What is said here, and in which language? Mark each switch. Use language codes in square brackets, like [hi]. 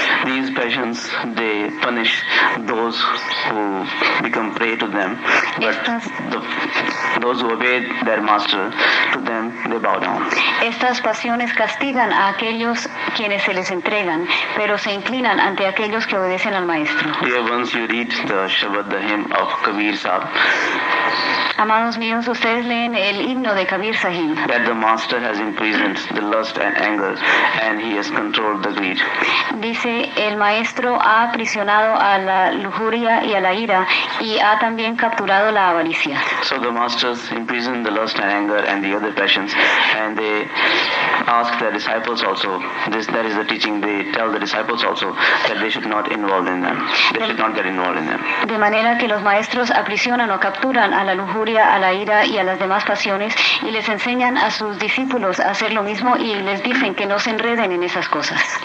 [en] These passions they punish those who become prey to them, but those who obey their master, to them they bow down. [es] Estas pasiones castigan a aquellos quienes se les entregan, pero se inclinan ante aquellos que obedecen al maestro. [en] Dear ones, you read the Shabad, the hymn of Kabir Sahib. [es] Amados míos, ustedes leen el himno de Kabir Sahib. [en] That the master has imprisoned the lust and anger, and he has controlled the greed. [es] Dice, el maestro ha aprisionado a la lujuria y a la ira, y ha también capturado la avaricia. [en] So the masters imprison the lust and anger and the other passions, and they ask their disciples also, that is the teaching, they tell the disciples also that they should not involve in them. [es] De manera que los maestros aprisionan o capturan a la lujuria, a la ira y a las demás pasiones y les enseñan a sus discípulos a hacer lo mismo y les dicen que no se enreden en esas cosas.